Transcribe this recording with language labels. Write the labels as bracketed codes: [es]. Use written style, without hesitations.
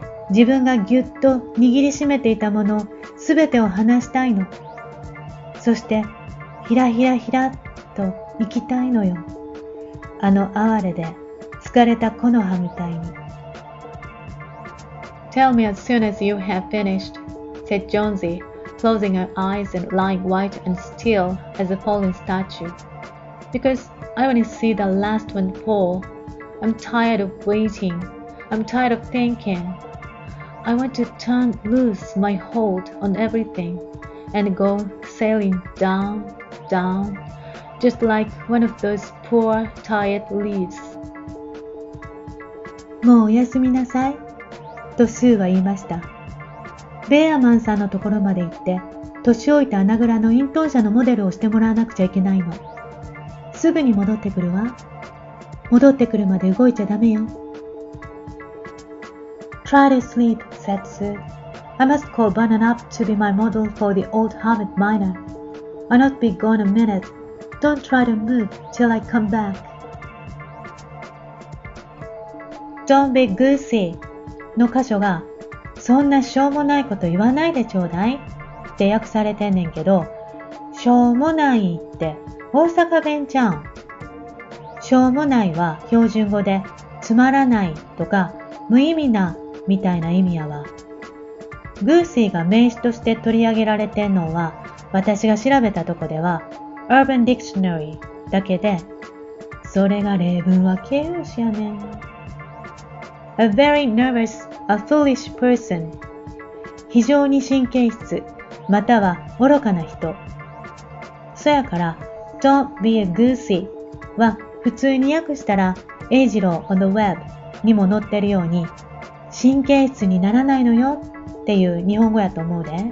[ja] 自分がぎゅっと握りしめていたものすべてを話したいの。そして、ひらひらひらっと行きたいのよ。あの哀れで疲れた木の葉みたいに。 [en] Tell me as soon as you have finished, said Jonesy, closing her eyes and lying white and still as a fallen statue. Because I want to see the last one fall. I'm tired of waiting. I'm tired of thinking. I want to turn loose my hold on everything and go sailing down, down, just like one of those poor, tired leaves. [ja] もうおやすみなさい、とスーは言いました。ベアマンさんのところまで行って、年老いた穴蔵の咽頭者のモデルをしてもらわなくちゃいけないの。すぐに戻ってくるわ。戻ってくるまで動いちゃダメよ。 [en] Try to sleep, said Sue. I must call Bannon up to be my model for the old hermit miner. I'll not be gone a minute. Don't try to move till I come back. Don't be goosey [ja] の箇所が、そんなしょうもないこと言わないでちょうだいって訳されてんねんけど、しょうもないって大阪弁ちゃん。しょうもないは標準語でつまらないとか無意味なみたいな意味やわ。グーシーが名詞として取り上げられてんのは、私が調べたとこでは、 [en] Urban Dictionary [ja] だけで、それが例文は形容詞やね。 [en] A very nervous, a foolish person. [ja] 非常に神経質、または愚かな人。そやから、 [en] Don't be a goosey [ja] は普通に訳したら、エイジロー on the web にも載ってるように、神経質にならないのよっていう日本語やと思うで。